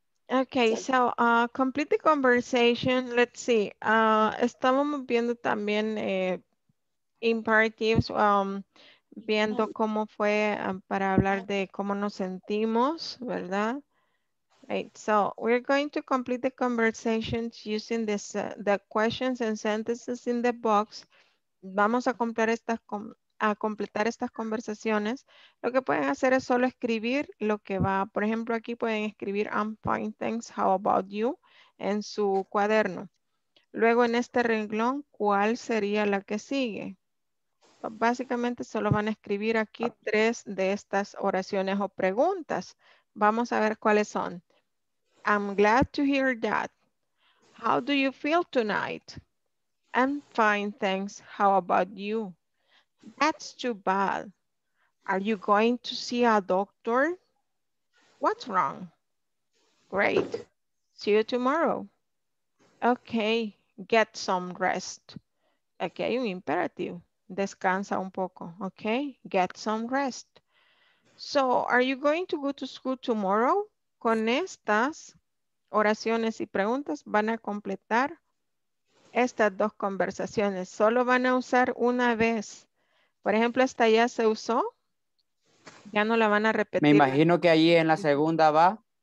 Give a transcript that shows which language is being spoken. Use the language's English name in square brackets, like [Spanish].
[English] Okay, so complete the conversation. Let's see. [Spanish] Estábamos viendo también imperatives, viendo cómo fue para hablar de cómo nos sentimos, ¿verdad? [English] Right. So we're going to complete the conversations using this, the questions and sentences in the box. [Spanish] Vamos a completar estas conversaciones. Lo que pueden hacer es solo escribir lo que va. Por ejemplo, aquí pueden escribir [English] I'm fine, thanks, how about you [Spanish] en su cuaderno. Luego en este renglón, ¿cuál sería la que sigue? Básicamente solo van a escribir aquí tres de estas oraciones o preguntas. Vamos a ver cuáles son. [English] I'm glad to hear that. How do you feel tonight? I'm fine, thanks. How about you? That's too bad. Are you going to see a doctor? What's wrong? Great. See you tomorrow. Okay, get some rest. Okay, [Spanish] un imperativo. Descansa un poco. [English] Okay, get some rest. So, are you going to go to school tomorrow? [Spanish] Con estas oraciones y preguntas van a completar estas dos conversaciones. Solo van a usar una vez. Por ejemplo, esta ya se usó. Ya no la van a repetir. Me imagino que ahí en la segunda va.